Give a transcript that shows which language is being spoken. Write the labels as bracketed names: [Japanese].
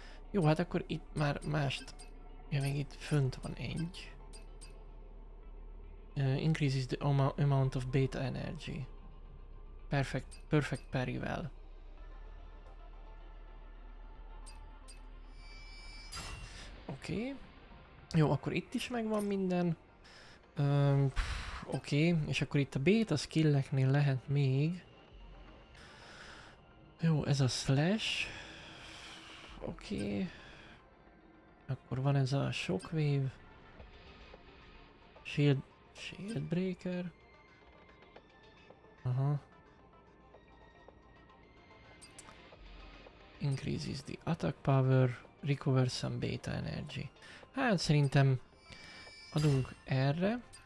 [Hungarian] Jó, hát akkor itt már mást... Ja, még itt fönt van egy. [English] Increases the amount of beta energy. [Hungarian] Perfect parry-vel. Oké. Okay. Jó, akkor itt is megvan minden. Oké, okay. És akkor itt a beta skilleknél lehet még. Jó, ez a slash. Oké. Okay. Akkor van ez a Shockwave. Shield Breaker. Aha. [English] Increases the attack power, recover some beta energy. [Hungarian] Hát szerintem adunk erre.